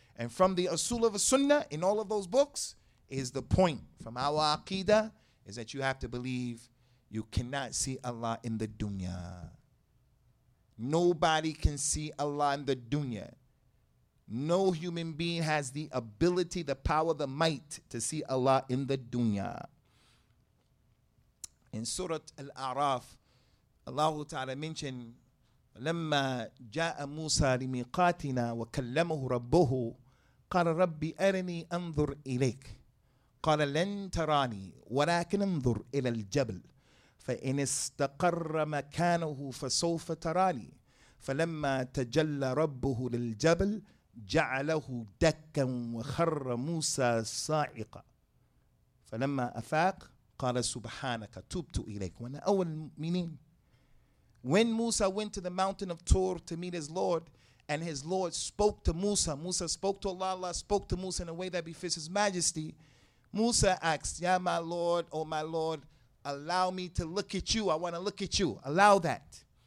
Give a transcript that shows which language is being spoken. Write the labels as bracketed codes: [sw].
[en] And from the Usul of the Sunnah, in all of those books, is the point from our Aqidah, is that you have to believe you cannot see Allah in the dunya. Nobody can see Allah in the dunya. No human being has the ability, the power, the might to see Allah in the dunya. In Surah Al-A'raf, Allah Ta'ala mentioned, [ar] لَمَّا جَاءَ مُوسَى لِمِيقَاتِنَا وَكَلَّمَهُ رَبُّهُ قَالَ رَبِّ أَرِنِي أَنْظُرْ إِلَيْكَ قَالَ لَنْ تَرَانِي وَلَكِنْ أَنْظُرْ إِلَى الْجَبَلِ فَإِنِ اسْتَقَرَّ مَكَانَهُ فَسَوْفَ تَرَانِي فَلَمَّا تَجَلَّى رَبُّهُ لِلْجَبَلِ جَعَلَهُ دَكًّا وَخَرَّ مُوسَى صَاعِقًا فَلَمَّا أَفَاقَ قَالَ سُبْحَانَكَ تُبْتُ إِلَيْكَ وَأَنَا أَوَّلُ الْمُؤْمِنِينَ. [en] When Musa went to the mountain of Tur to meet his Lord, and his Lord spoke to Musa, Musa spoke to Allah, Allah spoke to Musa in a way that befits his majesty, Musa asked, Ya my Lord, oh my Lord, allow me to look at you. I want to look at you. Allow that.